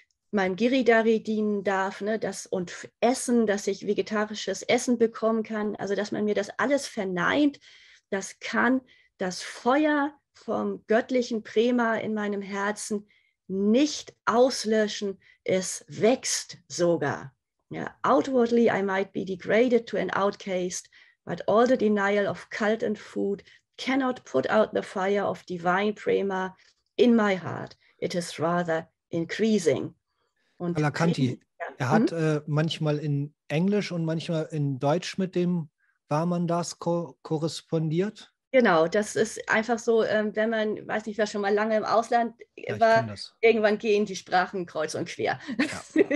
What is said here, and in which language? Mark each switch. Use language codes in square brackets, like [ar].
[de] meinem Giridhari dienen darf, ne, das, und Essen, dass ich vegetarisches Essen bekommen kann, also dass man mir das alles verneint, das kann das Feuer vom göttlichen Prema in meinem Herzen nicht auslöschen, es wächst sogar. [en] Ja, outwardly I might be degraded to an outcast, but all the denial of cult and food cannot put out the fire of divine prema in my heart. It is rather increasing. [de] Und Alakanti, er hat manchmal in Englisch und manchmal in Deutsch mit dem Vamandas korrespondiert. Genau, das ist einfach so, wenn man, weiß nicht, wer schon mal lange im Ausland war, irgendwann gehen die Sprachen kreuz und quer. Ja.